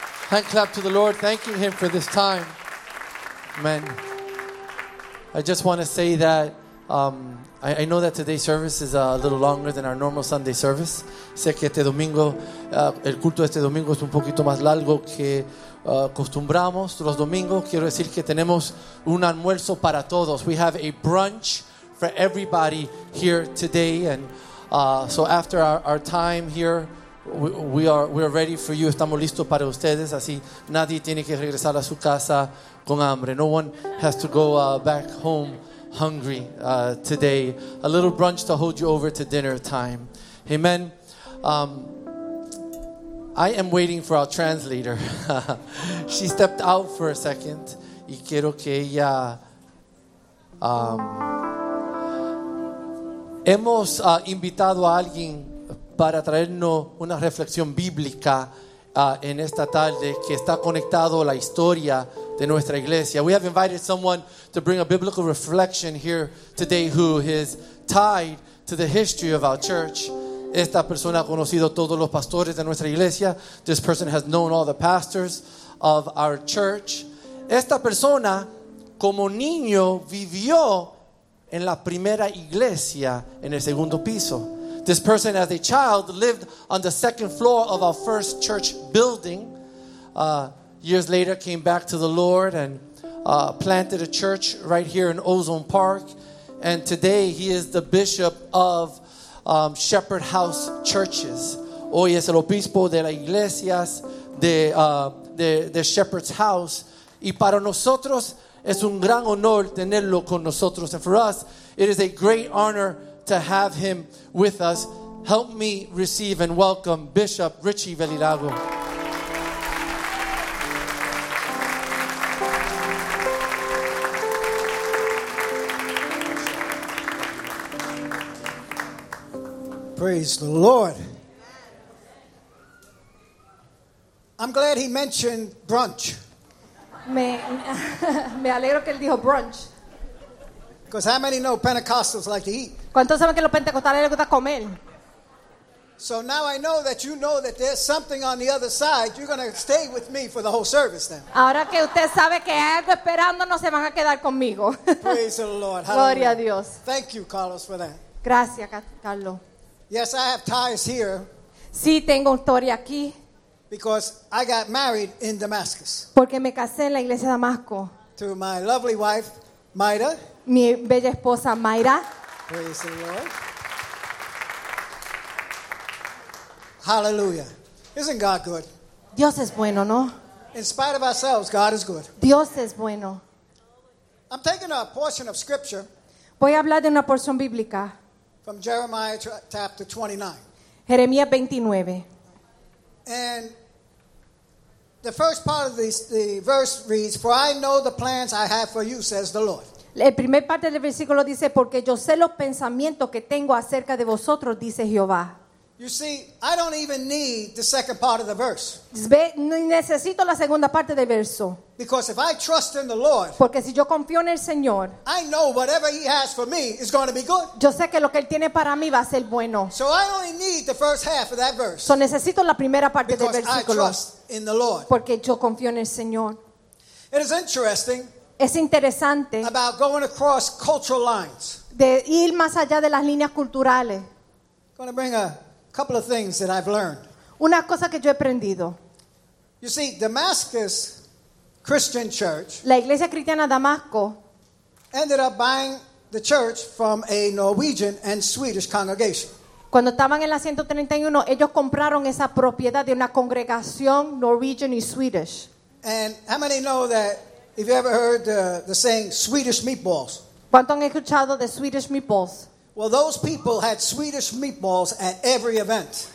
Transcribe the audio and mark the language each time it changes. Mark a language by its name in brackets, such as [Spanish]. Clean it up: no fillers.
[English] Hand clap to the Lord, thanking Him for this time. Amen. I just want to say that I know that today's service is a little longer than our normal Sunday service. [Spanish] Sé que este domingo, el culto de este domingo es un poquito más largo que acostumbramos los domingos. Quiero decir que tenemos un almuerzo para todos. [English] We have a brunch for everybody here today. And so after our time here, we are ready for you. [Spanish] Estamos listos para ustedes. Así nadie tiene que regresar a su casa con hambre. [English] No one has to go back home hungry today. A little brunch to hold you over to dinner time. Amen. I am waiting for our translator. She stepped out for a second. [Spanish] Y quiero que ella... hemos invitado a alguien para traernos una reflexión bíblica en esta tarde que está conectado a la historia de nuestra iglesia. [English] We have invited someone to bring a biblical reflection here today who is tied to the history of our church. [Spanish] Esta persona ha conocido todos los pastores de nuestra iglesia. [English] This person has known all the pastors of our church. [Spanish] Esta persona, como niño, vivió en la primera iglesia en el segundo piso. [English] This person, as a child, lived on the second floor of our first church building. Years later, came back to the Lord and planted a church right here in Ozone Park. And today, he is the bishop of Shepherd House Churches. [Spanish] Hoy es el obispo de las iglesias de Shepherd's House. Y para nosotros es un gran honor tenerlo con nosotros. [English] And for us, it is a great honor to have him with us. Help me receive and welcome Bishop Richie Velilago. Praise the Lord. I'm glad he mentioned brunch. [Spanish] Me alegro que él dijo brunch. [English] Because how many know Pentecostals like to eat? [Spanish] ¿Cuántos saben que los pentecostales les gusta comer? [English] So now I know that you know that there's something on the other side. You're going to stay with me for the whole service then. [Spanish] Ahora que usted sabe que hay algo esperando, no se van a quedar conmigo. [English] Praise the Lord. [Spanish] Hallelujah. Gloria a Dios. [English] Thank you, Carlos, for that. [Spanish] Gracias, Carlos. [English] Yes, I have ties here. [Spanish] Sí, tengo historia aquí. [English] Because I got married in Damascus. [Spanish] Porque me casé en la iglesia de Damasco. [English] To my lovely wife, Mayra. [Spanish] Mi bella esposa, Mayra. [English] Praise the Lord. Hallelujah. Isn't God good? [Spanish] Dios es bueno, ¿no? [English] In spite of ourselves, God is good. [Spanish] Dios es bueno. [English] I'm taking a portion of scripture. [Spanish] Voy a hablar de una porción bíblica. [English] From Jeremiah chapter 29. [Spanish] Jeremías 29. [English] And the first part of the verse reads, "For I know the plans I have for you," says the Lord. [Spanish] El primer parte del versículo dice, "Porque yo sé los pensamientos que tengo acerca de vosotros," dice Jehová. [English] You see, I don't even need the second part of the verse. [Spanish] Ve, necesito la segunda parte del verso. [English] Because if I trust in the Lord, [Spanish] porque si yo confío en el Señor, [English] I know whatever He has for me is going to be good. [Spanish] Yo sé que lo que Él tiene para mí va a ser bueno. [English] So I only need the first half of that verse. [Spanish] So necesito la primera parte del versículo. [English] Because I trust in the Lord. [Spanish] Porque yo confío en el Señor. [English] It is interesting. [Spanish] Es interesante. [English] About going across cultural lines. [Spanish] De ir más allá de las líneas culturales. [English] Going to bring a couple of things that I've learned. [Spanish] Una cosa que yo he aprendido. [English] You see, Damascus Christian Church, [Spanish] la iglesia cristiana Damasco, [English] ended up buying the church from a Norwegian and Swedish congregation. [Spanish] Cuando estaban en la 131, ellos compraron esa propiedad de una congregación [English] Norwegian [Spanish] y [English] Swedish. And how many know that if you ever heard the saying Swedish meatballs? [Spanish] ¿Cuánto han escuchado de Swedish meatballs? [English] Well, those people had Swedish meatballs at every event.